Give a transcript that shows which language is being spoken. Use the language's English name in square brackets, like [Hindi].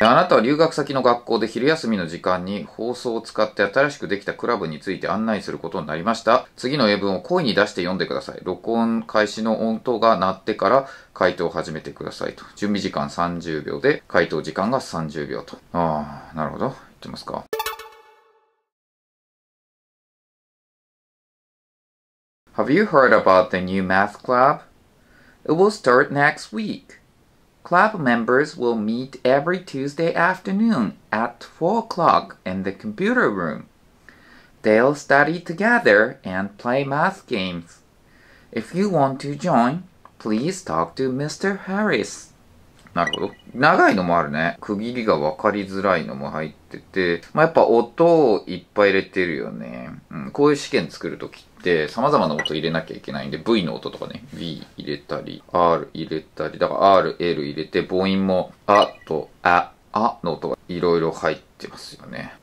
[Japanese] あなたは留学先の学校で昼休みの時間に放送を使って新しくできたクラブについて案内することになりました。次の英文を声に出して読んでください。録音開始の音頭が鳴ってから回答を始めてくださいと。準備時間30秒で回答時間が30秒と。ああ、なるほど、言ってますか。 [English] Have you heard about the new math club? It will start next weekClub members will meet every Tuesday afternoon at 4 o'clock in the computer room. They'll study together and play math games. If you want to join, please talk to Mr. [Japanese] Harris. なるほど。長いのもあるね。区切りが分かりづらいのも入ってて。まあ、やっぱ音をいっぱい入れてるよね。うん、こういう試験作るときって。で、様々な音入れなきゃいけないんで、V の音とかね、V 入れたり、R 入れたり、だから R、L 入れて、母音も、あと、あ、あの音がいろいろ入ってますよね。